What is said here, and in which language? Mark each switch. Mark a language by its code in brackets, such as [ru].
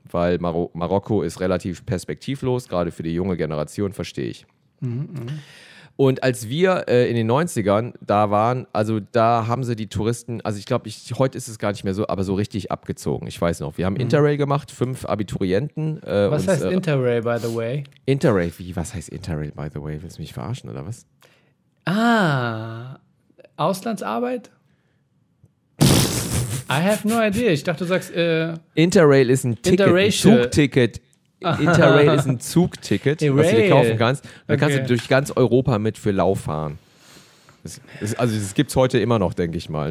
[de] Weil Marokko ist relativ perspektivlos, gerade für die junge Generation, verstehe ich. Und als wir in den 90ern da waren, also da haben sie die Touristen, also ich glaube, heute ist es gar nicht mehr so, aber so richtig abgezogen. Ich weiß noch, wir haben Interrail gemacht, 5 Abiturienten. Heißt Interrail, [en] by the way? [de] Interrail, wie, was heißt Interrail, [en] by the way? [de] Willst du mich verarschen, oder was? Ah, Auslandsarbeit? [en] I have no idea, [de] ich dachte, du sagst... Interrail ist ein Ticket, Interracial. Ein Zugticket. Interrail ist ein Zugticket, was du dir kaufen kannst. Dann kannst du durch ganz Europa mit für Lau fahren. Also das gibt es heute immer noch, denke ich mal.